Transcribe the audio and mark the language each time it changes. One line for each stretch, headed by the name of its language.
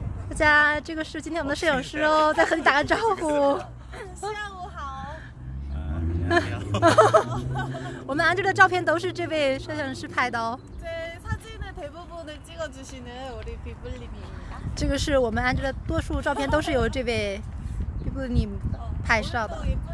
Chinese: 大家，这个是今天我们的摄影师哦，在和你打个招呼。下午好。我们 Angel 的照片都是这位摄影师拍的哦。
Korean: 对，사진은대부분을찍어주시는우리 비블님입니다。
Chinese: 这个是我们 Angel 的多数照片都是由这位 비블님 拍摄的。